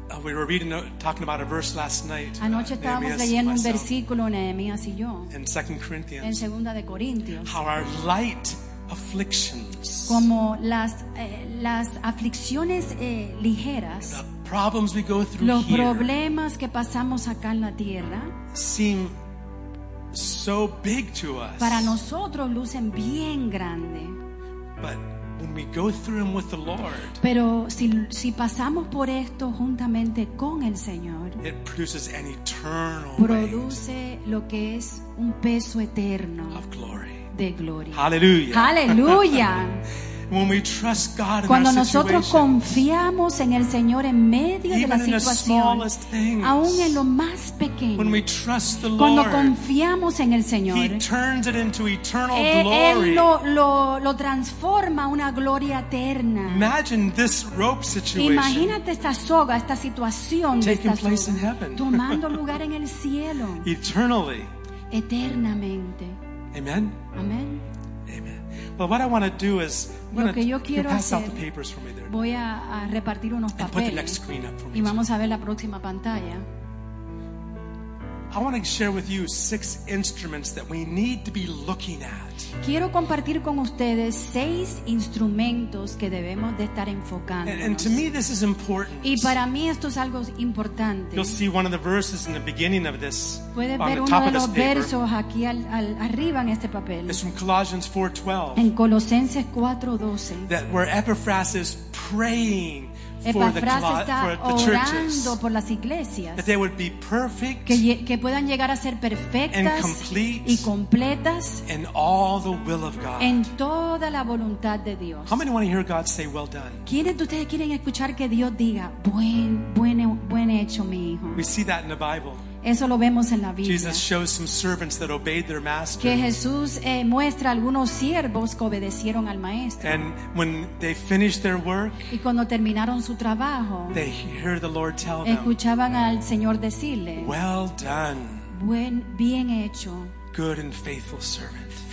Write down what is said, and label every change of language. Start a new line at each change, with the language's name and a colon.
English: We were reading, talking about a verse last night.
Spanish: Anoche estábamos leyendo un versículo, Nehemías y yo.
English: In 2 Corinthians.
Spanish: En segunda de Corintios.
English: How our light afflictions.
Spanish: Como las aflicciones ligeras.
English: The problems we go through.
Spanish: Los
English: here
Spanish: problemas que pasamos acá en la tierra.
English: Seem so big to us.
Spanish: Para nosotros lucen bien grande.
English: But when we go through them with the Lord,
Spanish: pero si pasamos por esto juntamente con el Señor,
English: it produces an eternal
Spanish: produce lo que es un peso eterno
English: of glory.
Spanish: De gloria.
English: Hallelujah. Hallelujah. When we trust God
Spanish: cuando
English: in our
Spanish: nosotros confiamos en el Señor en medio
English: even
Spanish: de la situación, aún en lo más pequeño,
English: when we trust the Lord,
Spanish: cuando confiamos en el Señor,
English: He turns it into eternal glory.
Spanish: Él lo transforma a una gloria eterna.
English: Imagine this rope situation.
Spanish: Imagínate esta soga, esta situación
English: taking
Spanish: de esta
English: place
Spanish: soga,
English: in heaven.
Spanish: Tomando lugar en el cielo.
English: Eternally.
Spanish: Eternamente.
English: Amen.
Spanish: Amen.
English: But what I want to do is pass out the papers for me there.
Spanish: Voy a repartir unos papeles.
English: And put the next screen up for me.
Spanish: Y vamos a ver la próxima pantalla.
English: I want to share with you six instruments that we need to be looking at.
Spanish: Quiero compartir con ustedes seis instrumentos que debemos de estar enfocando.
English: And to me this is important.
Spanish: Y para mí esto es algo importante.
English: You'll see one of the verses in the beginning of this.
Spanish: Puedes
English: on
Spanish: ver
English: the top
Spanish: uno de
English: of
Spanish: los
English: paper.
Spanish: Versos aquí al arriba en este papel.
English: It's from Colossians 4:12.
Spanish: En Colosenses 4:12.
English: That where Epaphras is praying for the churches, that they would be perfect,
Spanish: que puedan llegar a ser perfectas y completas
English: in all the will of God,
Spanish: en toda la voluntad de Dios.
English: How many want to hear God say, "Well done"?
Spanish: ¿Quiénes de ustedes quieren escuchar que Dios diga, buen hecho, mi hijo?
English: We see that in the Bible.
Spanish: Eso lo vemos en la Biblia.
English: Jesus shows some servants that obeyed their master.
Spanish: Que Jesús muestra algunos siervos que obedecieron al maestro.
English: And when they finished their work,
Spanish: y cuando terminaron su trabajo,
English: they heard the Lord tell them,
Spanish: escuchaban al Señor decirle,
English: "Well done,
Spanish: bien hecho,
English: good and faithful servant,